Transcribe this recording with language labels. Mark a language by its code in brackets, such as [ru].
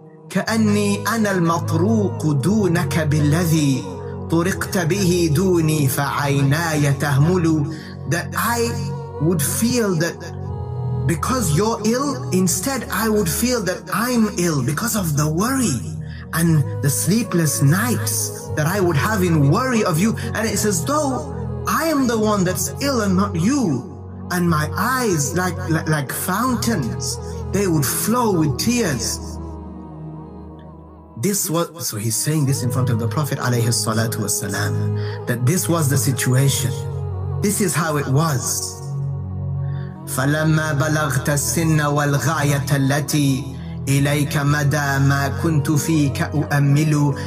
[ar] كأني أنا المطروق دونك بالذي طرقت به دوني فعيناي تهمل. [en] That I would feel that because you're ill, instead I would feel that I'm ill because of the worry and the sleepless nights that I would have in worry of you. And it's as though I am the one that's ill and not you. And my eyes, like fountains, they would flow with tears. So he's saying this in front of the Prophet alayhi salatu wasalam, that this was the situation. This is how it was. [ar] فلما بلغت السن والغاية التي إليك مدى ما كنت فيك أؤمل.